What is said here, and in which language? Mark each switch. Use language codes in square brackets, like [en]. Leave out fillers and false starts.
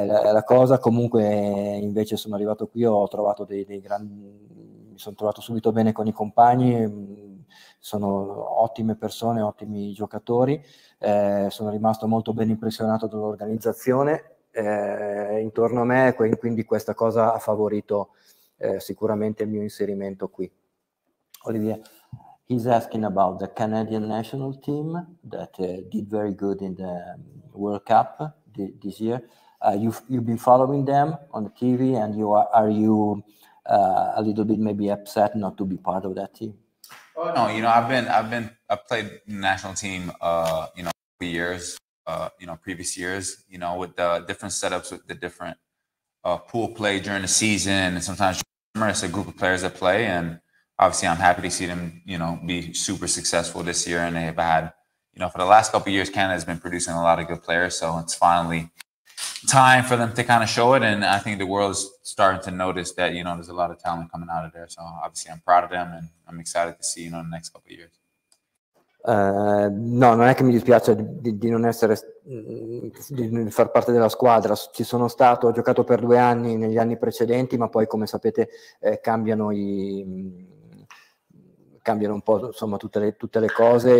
[it] La cosa, comunque, invece sono arrivato qui, ho trovato dei grandi, mi sono trovato subito bene con i compagni. Sono ottime persone, ottimi giocatori. Sono rimasto molto ben impressionato dall'organizzazione intorno a me, quindi questa cosa ha favorito sicuramente il mio inserimento qui. [en] Olivier, he's asking about the Canadian national team that did very good in the World Cup this year. You've been following them on the TV, and are you a little bit maybe upset not to be part of that team? Oh no, I played national team years, previous years, with the different setups, with the different pool play during the season, and sometimes it's a group of players that play. And obviously I'm happy to see them, be super successful this year. And they've had, for the last couple of years, Canada's been producing a lot of good players. So it's finally time for them to kind of show it. And I think the world's starting to notice that, there's a lot of talent coming out of there. So obviously I'm proud of them and I'm excited to see, the next couple of years. [it] No, non è che mi dispiace di non essere, di far parte della squadra. Ci sono stato, ho giocato per 2 anni negli anni precedenti, ma poi, come sapete, cambiano un po', insomma, tutte le cose.